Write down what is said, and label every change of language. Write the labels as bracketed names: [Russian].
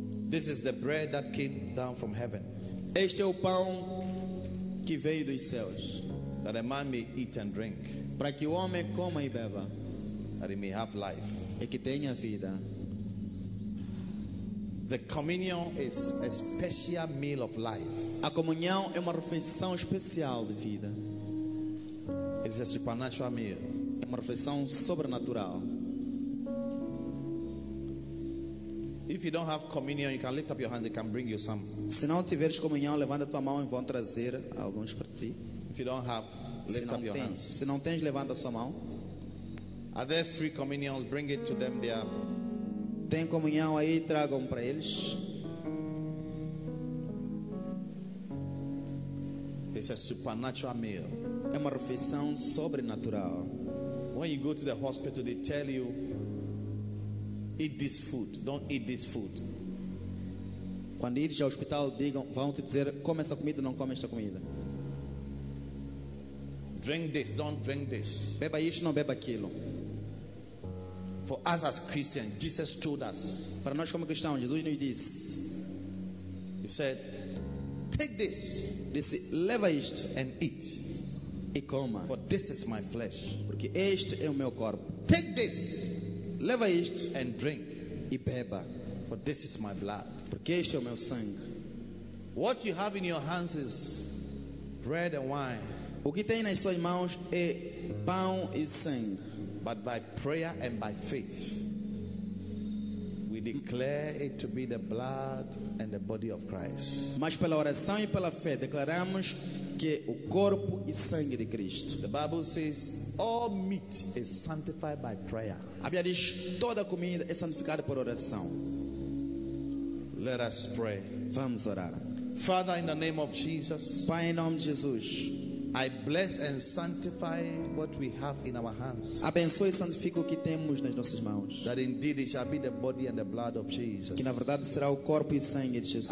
[English] This is the bread that came down from heaven. [Portuguese] Este é o pão que veio dos céus. [English] That a man may eat and drink. [Portuguese] Para que o homem coma e beba. [English] That he may have life. [Portuguese] E que tenha vida. [English] The communion is a special meal of life. [Portuguese] A comunhão é uma refeição especial de vida. [English] It is a supernatural meal. [Portuguese] É uma refeição sobrenatural. [English] If you don't have communion, you can lift up your hand. They can bring you some. [Portuguese] Se não tiveres comunhão, levanta tua mão e vão trazer alguns para ti. [English] If you don't have, lift up your hands. [Portuguese] Se não tens, levanta sua mão. [English] Are there free communions? Bring it to them. They are. [Portuguese] Tem comunhão aí, tragam para eles. [English] It's a supernatural meal. [Portuguese] É uma refeição sobrenatural. [English] When you go to the hospital, they tell you, eat this food. Don't eat this food. [Portuguese] Quando ires ao hospital, digam, vão te dizer, come essa comida, não come esta comida. [English] Drink this, don't drink this. [Portuguese] Beba isso, não beba aquilo. [English] For us as Christians, Jesus told us. [Portuguese] Para nós como cristãos, Jesus nos disse. [English] He said, "Take this, [Portuguese] leva isto, [English] and eat, [Portuguese] e coma. [English] For this is my flesh, [Portuguese] porque este é o meu corpo. [English] Take this, [Portuguese] leva isto, [English] and drink, [Portuguese] e beba. [English] For this is my blood, [Portuguese] porque este é o meu sangue. [English] What you have in your hands is bread and wine. [Portuguese] O que tem nas suas mãos é pão e sangue." [English] But by prayer and by faith, we declare it to be the blood and the body of Christ. [Portuguese] Mas pela oração e pela fé declaramos que o corpo e sangue de Cristo. [English] The Bible says all meat is sanctified by prayer. [Portuguese] A Bíblia diz toda comida é santificada por oração. [English] Let us pray. [Portuguese] Vamos orar. [English] Father, in the name of Jesus. [Portuguese] Pai, em nome de Jesus. [English] I bless and sanctify what we have in our hands. [Portuguese] Abençoe e santifico o que temos nas nossas mãos. [English] That indeed it shall be the body and the blood of Jesus. [Portuguese] Que na verdade será o corpo e sangue de Jesus.